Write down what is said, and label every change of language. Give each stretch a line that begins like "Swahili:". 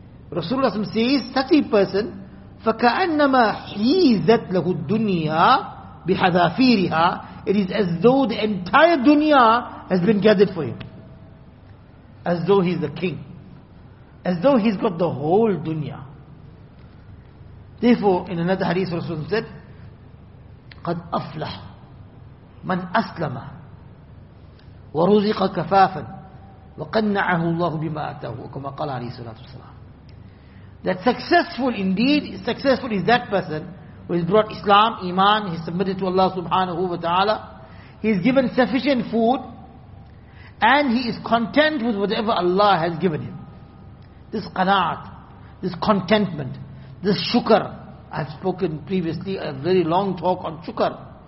English: Rasulullah says, such a person,
Arabic: فَكَأَنَّمَا حِيزَتْ لَهُ الدُّنْيَا بِحَذَافِيرِهَا.
English: It is as though the entire dunya has been gathered for him, as though he's the king, as though he's got the whole dunya. Therefore, in another hadith, Rasulullah said,
Arabic: قَدْ أَفْلَحْ مَنْ أَسْلَمَ وَرُزِقَ كَفَافًا وَقَنَّعَهُ اللَّهُ بِمَا أَتَاهُ وَكَمَا قَالَ عَلَيْهِ صَلَّى اللَّهُ عَلَيْهِ وَسَلَّمَ.
English: That successful indeed, successful is that person who has brought Islam, Iman, he submitted to Allah subhanahu wa ta'ala, he is given sufficient food, and he is content with whatever Allah has given him. This qana'at, this contentment, this shukr, I've spoken previously a very long talk on shukr.